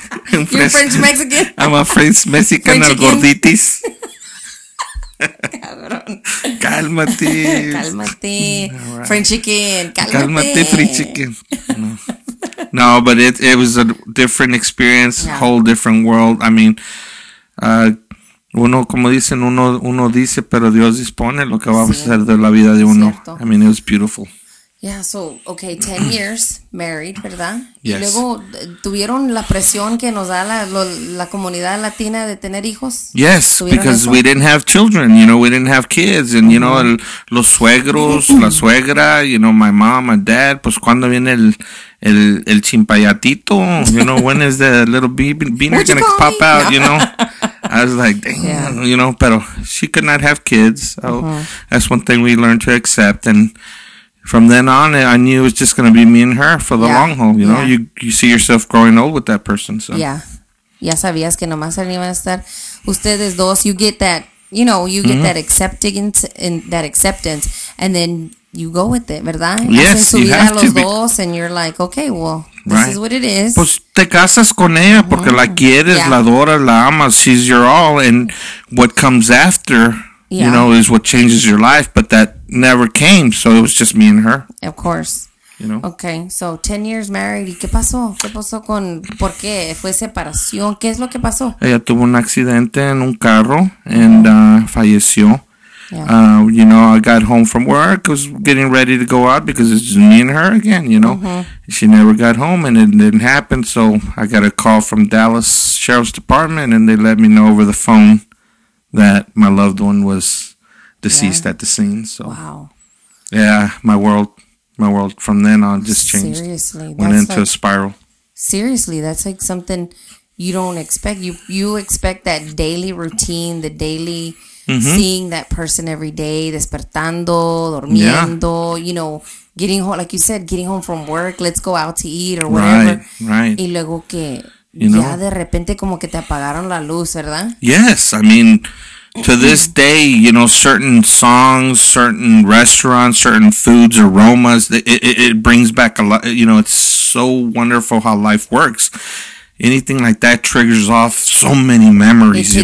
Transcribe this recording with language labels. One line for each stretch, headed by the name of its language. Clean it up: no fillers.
English: You're French Mexican. I'm a French Mexican al gorditis.
Spanish: Cabrón. Cálmate. Cálmate.
English: Right. French chicken.
Spanish: Cálmate,
English: French chicken. No, but it was a different experience, yeah. Whole different world.
Spanish: I mean, uno, como dicen, uno dice, pero Dios dispone lo que va a hacer de la vida de uno. Cierto.
English: I mean, it was beautiful. Yeah, so, okay, 10 years married,
Spanish: ¿verdad?
English: Yes.
Spanish: Y luego, ¿tuvieron la presión que nos da la comunidad latina de tener hijos?
English: Yes, because we didn't have children, you know, we didn't have kids. And, you know,
Spanish: los suegros, la suegra,
English: you know, my mom, my dad,
Spanish: pues, ¿cuándo viene el chimpayatito?
English: You know, when is the little beanie going to pop out, you know? I was like, dang, you know, pero she could not have kids. So that's one thing we learned to accept. And from then on, I knew it was just going to be me and her for the long haul. You know, you see yourself growing old with that person. So. Yeah.
Spanish: Ya sabías que nomás iban a estar ustedes dos.
English: You get that, you know, you get that acceptance and that acceptance. And then you go with it,
Spanish: ¿verdad?
English: Yes, you have to. Dos, and you're like, okay, well, this is what it is.
Spanish: Pues te casas con ella porque la quieres, la adoras, la amas.
English: She's your all. And what comes after, you know, is what changes your life. But that never came. So it was just me and her. Of course. You know?
Spanish: Okay. So 10 years married. ¿Y qué pasó? ¿Qué pasó con... ¿Por qué? ¿Fue separación? ¿Qué es lo que pasó? Ella tuvo un accidente en un carro and falleció. Yeah.
English: You know, I got home from work, was getting ready to go out because it's me and her again, you know. Mm-hmm. She never got home and it didn't happen, so I got a call from Dallas Sheriff's Department and they let me know over the phone that my loved one was deceased at the scene. So, wow. Yeah, my world from then on just changed. Seriously. Went into a spiral. Seriously, that's like something you don't expect. You expect that daily routine, the daily... Mm-hmm. Seeing that person every day,
Spanish: despertando, dormiendo,
English: you know, getting home, like you said, getting home from work, let's go out to eat or whatever. Right.
Spanish: Y luego que
English: you ya know?
Spanish: De repente como que te apagaron la luz, ¿verdad?
English: Yes, I mean, to this day, you know, certain songs, certain restaurants, certain foods, aromas, it brings back a lot, you know, it's so wonderful how life works. Anything like that triggers off so many memories.